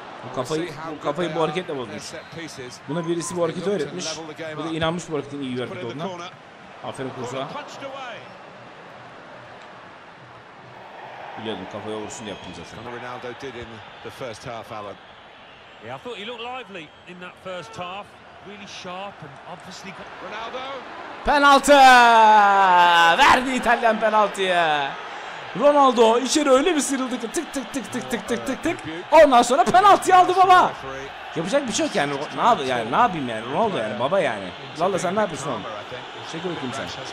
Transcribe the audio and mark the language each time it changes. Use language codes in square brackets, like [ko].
[tr] Bu kafayı bu hareketle bozmuş. Buna birisi bu hareketi öğretmiş. Bu da inanmış bu hareketin iyi bir hareket olduğuna. Aferin Kurza. Biliyordum kafaya vursun diye yaptım zaten. [en] Ronaldo did in the first half, Alan. Yeah, I thought he looked lively in that first half. Really sharp and obviously Ronaldo. [tr] Penaltı! Verdi İtalyan penaltıyı. Ronaldo içeri öyle bir sıyrıldı ki tık tık tık tık tık tık tık tık. Ondan sonra penaltıyı aldı baba. Yapacak bir şey yok yani. Ne yap yani? Ne yapayım yani? Ronaldo yani baba yani. Valla sen ne yapıyorsun oğlum? Çekil bakayım sen.